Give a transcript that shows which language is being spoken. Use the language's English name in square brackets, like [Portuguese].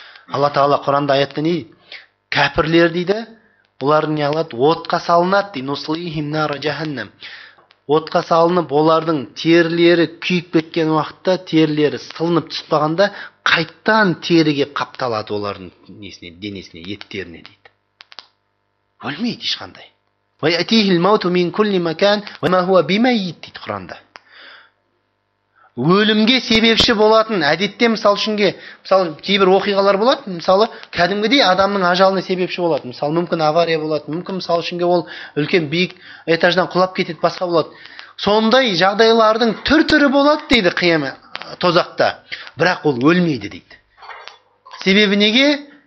[Kazakh] Алла Тағала Құранда аятта не дейді? Кәпірлер дейді, бұлар неғылады, отқа салынады дейді. [Arabic] Нуслихим нара жаһаннам. [Kazakh] Отқа салынып олардың терілері күйіп кеткен уақытта, терілері сылынып түсіп қалғанда қайттан теріге қапталады олардың несіне, денесіне, еттеріне дейді. Өлмейді ешқандай. [Arabic] وَيَأْتِيهِ الْمَوْتُ مِنْ كُلِّ مَكَانٍ وَمَا هُوَ بِمَيِّتٍ [Kazakh] дейді Құранда. Өлімге себепші болатын әдетте мысалы кейбір оқиғалар болады, мысалы кәдімгідей адамның ажалына себепші болады, мысалы мүмкін авария болады, мүмкін мысалы үшінге ол үлкен биік этаждан құлап кетеді, басқа болады. Сондай жағдайлардың түр-түрі болады дейді қиямет тозақта, бірақ ол өлмейді дейді. Себебі неге?